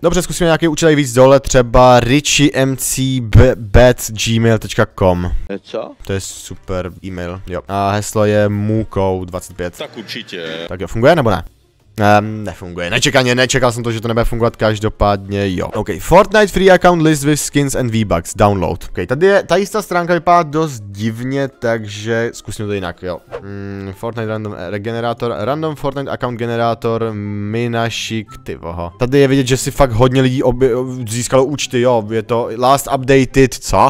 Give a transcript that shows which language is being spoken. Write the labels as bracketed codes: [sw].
[cs] Dobře, zkusíme nějaký účet víc dole, třeba richiemcbet@gmail.com. Co? To je super e-mail, jo. A heslo je muko25. Tak určitě. Tak jo, funguje nebo ne? Nefunguje, nečekaně, nečekal jsem to, že to nebude fungovat, každopádně jo. [en] OK, Fortnite free account list with skins and V-bucks, download. [cs] OK, tady je, ta jistá stránka vypadá dost divně, takže zkusím to jinak, jo. [en] Fortnite random regenerator, random Fortnite account generator, [cs] my naši, ty voho. Tady je vidět, že si fakt hodně lidí získalo účty, jo, je to last updated, co?